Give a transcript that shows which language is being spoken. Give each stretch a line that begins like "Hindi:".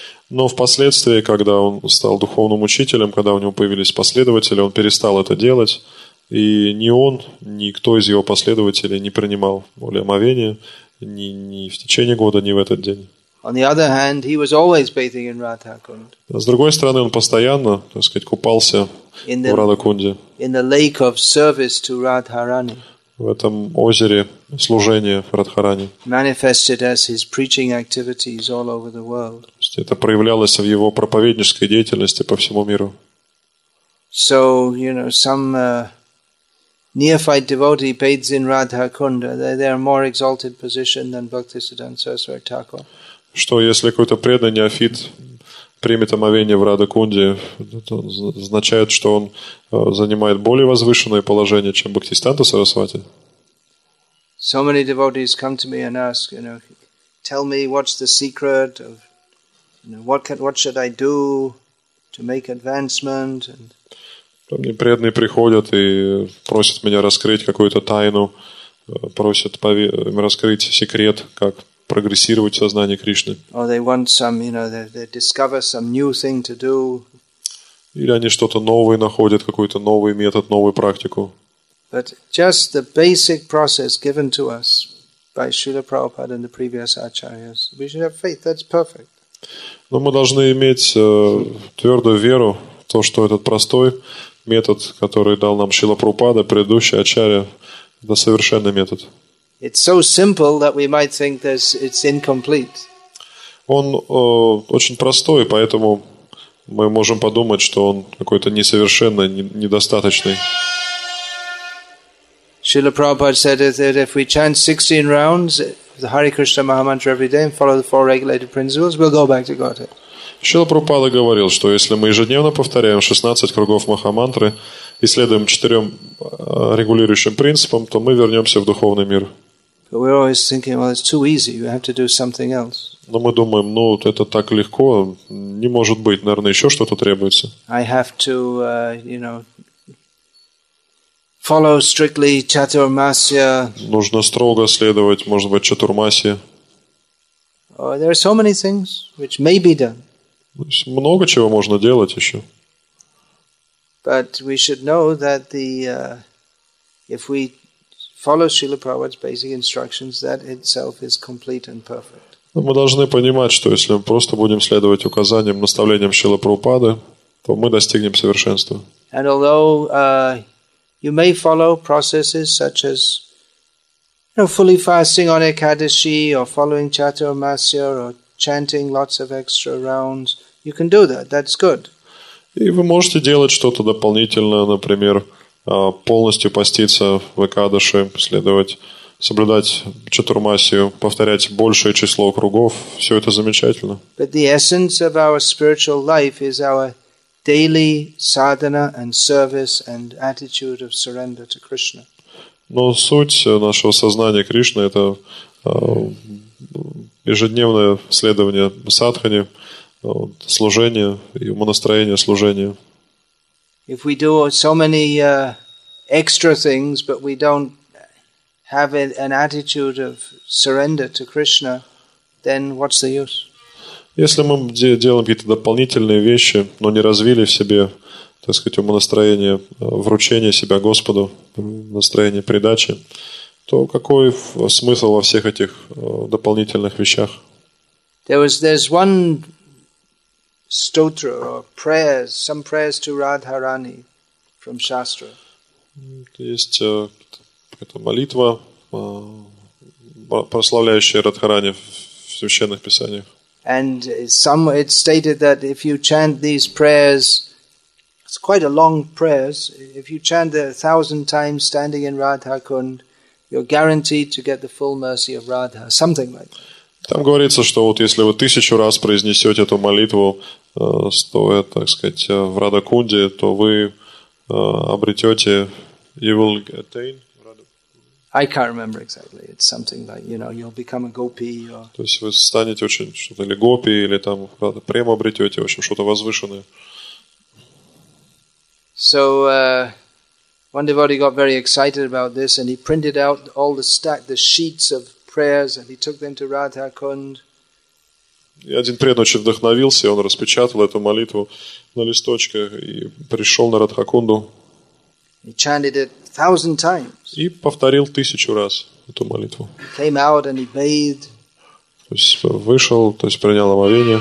Russian: Но впоследствии, когда он стал духовным учителем, когда у него появились последователи, он перестал это делать. И ни он, ни кто из его последователей не принимал более омовения ни в течение года, ни в этот день. С другой стороны, он постоянно, так сказать, купался в Радхакунде.
English: In the lake of service to Radharani.
Russian: В этом озере служения в Радхаране.
English: Manifested as his preaching activities all over the world.
Russian: Это проявлялось в его проповеднической деятельности по всему миру.
English: So, you know, some neophyte devotee bathes in Radhakunda, they're more exalted position than Bhaktisiddhanta Saraswati Thakur.
Russian: Что если какой-то преданный неофит примет омовение в Радхакунде, это означает, что он занимает более возвышенное положение, чем Бхактисиддханта Сарасвати.
English: So many devotees come to me and ask, you know, tell me what's the secret of, you know, what should I do to make advancement? And...
Russian: Мне преданные приходят и просят меня раскрыть какую-то тайну, просят раскрыть секрет, как прогрессировать в сознании Кришны.
English: Or they want some, you know, they discover some new thing to do.
Russian: Или они что-то новое находят, какой-то новый метод, новую практику.
English: But just the basic process given to us by Srila Prabhupada and the previous acharyas, we should have faith. That's perfect.
Russian: Но мы должны иметь твердую веру, то, что этот простой метод, который дал нам Шрила Прабхупада, предыдущий ачарья, это совершенный метод.
English: It's so simple that we might think that it's incomplete.
Russian: Он очень простой, поэтому мы можем подумать, что он какой-то несовершенный, недостаточный.
English: Srila Prabhupada said that if we chant 16 rounds of the Hare Krishna Mahamantra every day and follow the four regulated principles, we'll go back to Godhead.
Russian: Srila Prabhupada говорил, что если мы ежедневно повторяем 16 кругов Махамантры и следуем четырем регулирующим принципам, то мы вернемся в духовный мир.
English: But we're always thinking, well, it's too easy, you have to do something else.
Russian: Но мы думаем, ну, это так легко, не может быть, наверное, еще что-то требуется.
English: I have to, you know, follow strictly Chaturmasya.
Russian: Нужно строго следовать, может быть, Чатурмасе.
English: Oh, there are so many things which may be done.
Russian: Много чего можно делать еще.
English: But we should know that the if we follow Srila Prabhupada's basic instructions, that itself is complete and perfect.
Russian: Мы должны понимать, что если мы просто будем следовать указаниям, наставлениям Шрилы Прабхупады, то мы достигнем совершенства.
English: And although you may follow processes such as, you know, fully fasting on Ekadashi or following Chaturmasya or chanting lots of extra rounds, you can do that. That's good.
Russian: И вы можете делать что-то дополнительное, например, полностью поститься в Экадаши, следовать, соблюдать Чатурмасию, повторять большее число кругов. Все это замечательно.
English: But the essence of our spiritual life is our daily sadhana and service and attitude of surrender to Krishna.
Russian: Но суть нашего сознания Кришны – это ежедневное следование садхане, служение, умонастроение, служение.
English: If we do so many extra things, but we don't have an attitude of surrender to Krishna, then what's the use?
Russian: Если мы делаем какие-то дополнительные вещи, но не развили в себе, так сказать, умонастроение, вручение себя Господу, настроение предачи, то какой смысл во всех этих дополнительных вещах?
English: There's one stotra or prayers, some prayers to Radharani from Shastra.
Russian: Есть какая-то молитва, прославляющая Радхарани в священных писаниях.
English: And some it's stated that if you chant these prayers, it's quite a long prayers, if you chant it 1,000 times standing in Radhakund, you're guaranteed to get the full mercy of Radha, something like that.
Russian: Там говорится, что вот если вы 1,000 раз произнесете эту молитву, стоя, так сказать, в Радхакунде, то вы обретете,
English: you will attain. I can't remember exactly. It's something like, you know, you'll become a gopi or.
Russian: То есть вы станете очень что-то или гопи, или там правда прямо обретете, в общем, что-то возвышенное.
English: So one devotee got very excited about this and he printed out all the stack, the sheets of prayers, and he took them to Radhakund.
Russian: И один преданный очень вдохновился, и он распечатал эту молитву на листочках и пришел на Радхакунду.
English: He chanted it 1,000 times.
Russian: И повторил 1,000 раз эту молитву.
English: Came out and he bathed.
Russian: То есть вышел, то есть принял омовение.